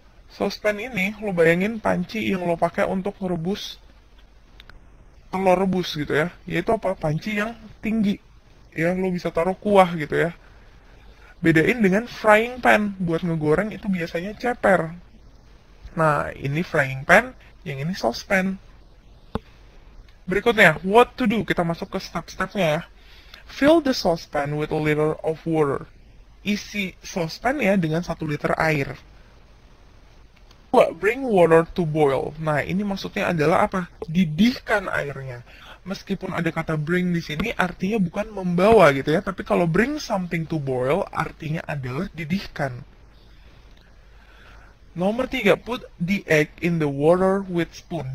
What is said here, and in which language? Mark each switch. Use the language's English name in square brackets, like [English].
[Indonesian] Saucepan ini, lo bayangin panci yang lo pakai untuk rebus telur rebus gitu ya. Yaitu apa? Panci yang tinggi. Ya, lo bisa taruh kuah gitu ya. Bedain dengan frying pan. Buat ngegoreng itu biasanya ceper. Nah, ini frying pan, yang ini saucepan. Berikutnya, [English] what to do? [Indonesian] Kita masuk ke step-stepnya ya. [English] Fill the saucepan with a liter of water. [Indonesian] Isi saucepan ya dengan 1 liter air. [English] Bring water to boil. [Indonesian] Nah, ini maksudnya adalah apa? Didihkan airnya. Meskipun ada kata bring di sini, artinya bukan membawa gitu ya. Tapi kalau [English] bring something to boil, [Indonesian] artinya adalah didihkan. [English] Nomor 3, put the egg in the water with spoon.